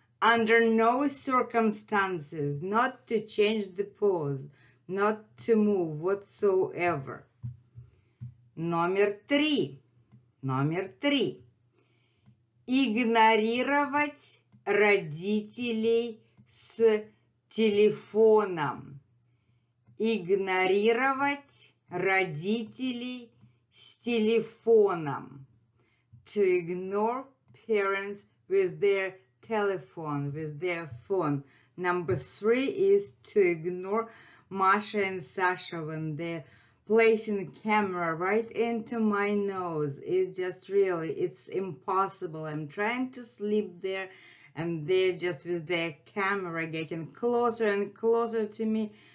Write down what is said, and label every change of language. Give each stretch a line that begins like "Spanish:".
English: Under no circumstances, not to change the pose, not to move whatsoever.
Russian: Номер три. Номер три. Игнорировать родителей с телефоном. Игнорировать родителей с телефоном.
English: To ignore parents with their telephone, with their phone. Number three is to ignore Masha and Sasha when they're placing the camera right into my nose. It just really, it's impossible. I'm trying to sleep there and they're just with their camera getting closer and closer to me.